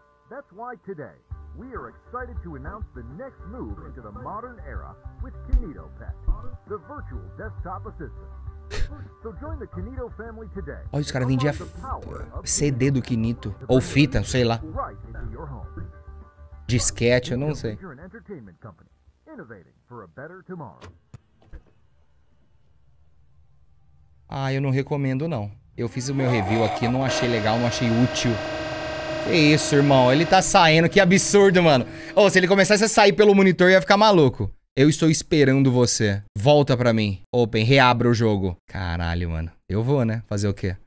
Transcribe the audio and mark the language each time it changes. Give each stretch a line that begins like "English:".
English: That's why today we are excited to announce the next move into the modern era with Kinito Pet, the virtual desktop assistant. So join the Kinito family today.
Portuguese: Olha, os caras vendiam CD do Kinito ou fita, sei lá.
English: Right into your home.
Portuguese: Disquete, eu não sei.
English: You're an entertainment company, innovating for a better tomorrow.
Portuguese: Ah, eu não recomendo não. Eu fiz o meu review aqui, não achei legal, não achei útil. Que isso, irmão. Ele tá saindo. Que absurdo, mano. Ô, se ele começasse a sair pelo monitor, eu ia ficar maluco. Eu estou esperando você. Volta pra mim. Open, reabra o jogo. Caralho, mano. Eu vou, né? Fazer o quê?